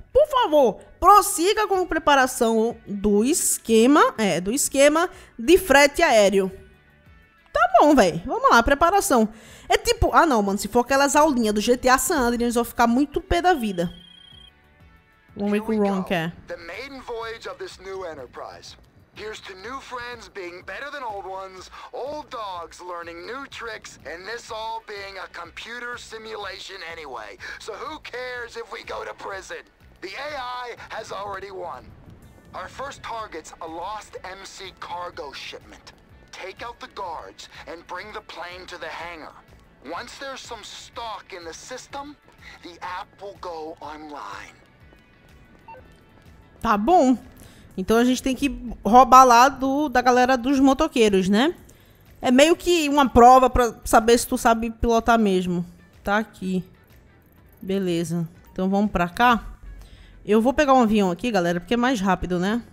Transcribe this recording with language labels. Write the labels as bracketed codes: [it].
[pt] Por favor, prossiga com a preparação do esquema. É, do esquema de frete aéreo. Tá bom, velho. Vamos lá, preparação. É tipo. Ah, não, mano. Se for aquelas aulinhas do GTA San Andreas, eles vão ficar muito pé da vida. Vamos ver o que o Ron quer. [en] The maiden voyage of this new enterprise. Here's to new friends being better than old ones, old dogs learning new tricks, and this all being a computer simulation anyway. So who cares if we go to prison? The AI has already won. Our first target's a lost MC cargo shipment. Take out the guards and bring the plane to the hangar. Once there's some stock in the system, the app will go online. [pt] Tá bom. Então a gente tem que roubar lá da galera dos motoqueiros, né? É meio que uma prova pra saber se tu sabe pilotar mesmo. Tá aqui. Beleza. Então vamos pra cá. Eu vou pegar um avião aqui, galera, porque é mais rápido, né?